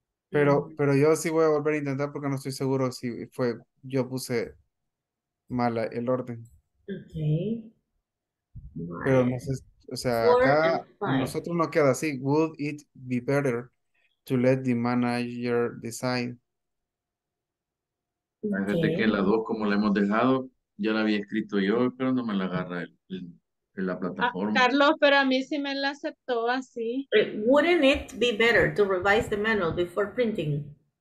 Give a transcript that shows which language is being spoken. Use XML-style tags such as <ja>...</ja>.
<es>Pero yo sí voy a volver a intentar porque no estoy seguro si fue, yo puse mal el orden.</es> <en>Okay.</en> <es>Pero no sé, o sea, acá nosotros no queda así.</es> <en>Would it be better to let the manager decide?</en> <es>Fíjate que la 2, como la hemos dejado, ya la había escrito yo, pero no me la agarra en la plataforma. Carlos, pero a mí sí me la aceptó así.</es> <en>Wouldn't it be better to revise the manual before printing?</en>